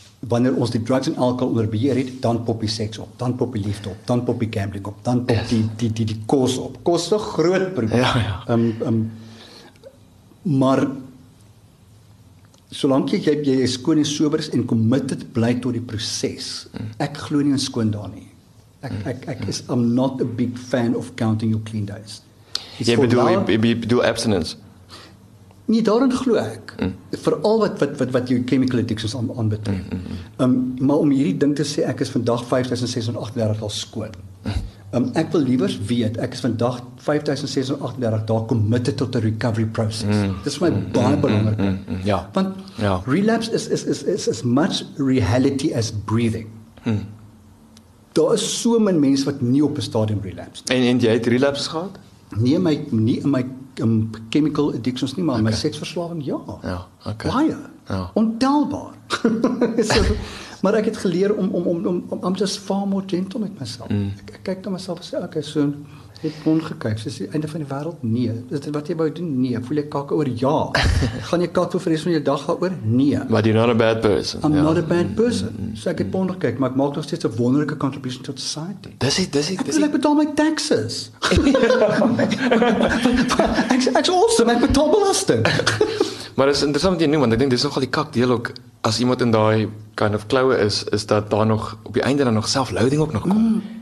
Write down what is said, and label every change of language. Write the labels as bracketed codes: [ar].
[af] Wanneer ons die drugs en alcohol onder beheer het, dan pop die seks op, dan pop die liefde op, dan pop die gambling op, dan pop die kos op. Kos is 'n groot probleem. Ja, ja. Maar solank jy skoon en sober is en committed bly tot die proses. Ek glo nie in skoon daar nie. [en] I'm not a big fan of counting your clean days. [af] Jy bedoel abstinence. Nie daarin glo ek. Veral wat jou chemical addictions aan betref. Maar om hierdie ding te sê, ek is vandag 5638 al skoon. Ek wil liewers weet, ek is vandag 5638 daar committed tot 'n recovery process. Dis my baie belangrike. Ja. Want ja. [en] Relapse is as much reality as breathing. [af] Daar is so min mense wat nie op 'n stadium relapse nie. En jy het relapse gehad? Nee, nie in my chemical addictions nie, maar okay. My seksverslawing, ja. Ja, okay. Baie. Ja. Ontelbaar. So, maar ek het geleer om [en] I'm just far more gentle [af] met myself. Ek kyk na myself en sê, okay, so het kon gekyk, so is die einde van die wereld? Nee. Is dit wat jy wou doen? Nee. Voel jy kak oor? Ja. Gaan jy kak vir die rest van jou dag daaroor? Nee. [en] But you're not a bad person. Not a bad person. [af] So ek het kon gekyk, maar ek maak nog steeds 'n wonderlike contribution to society. Ek betaal my taxes. Ek's awesome, ek betaal belasting. Maar dit is interessant wat jy noem, want ek dink dis nogal die kak deel ook. As iemand in daai kind of klauwe is dat daar nog op die einde dan nog self-loading ook nog kom.